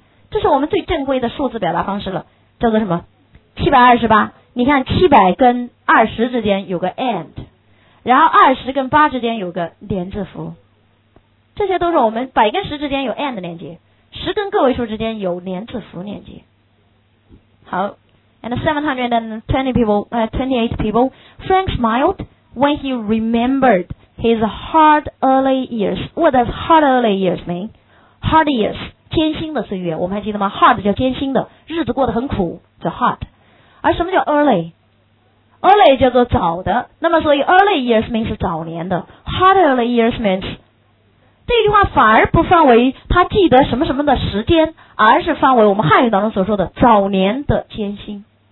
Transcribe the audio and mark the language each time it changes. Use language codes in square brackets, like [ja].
[zh] 这是我们最正规的数字表达方式了，叫做什么？ 728。你看700跟20之间有个 and， 然后20跟8之间有个连字符，这些都是我们百跟十之间有 and 连接，十跟个位数之间有连字符连接。 [en] 好， and 728 people Frank smiled when he remembered his hard early years. What does hard early years mean? [zh] Hard years艰辛的岁月，我们还记得吗？hard 叫艰辛的，日子过得很苦叫 hard。而什么叫 early？ early 叫做早的，那么所以 [en] early years means [zh] 早年的， [en] hard early years means， [zh] 这句话反而不范围他记得什么什么的时间，而是范围我们汉语当中所说的早年的艰辛。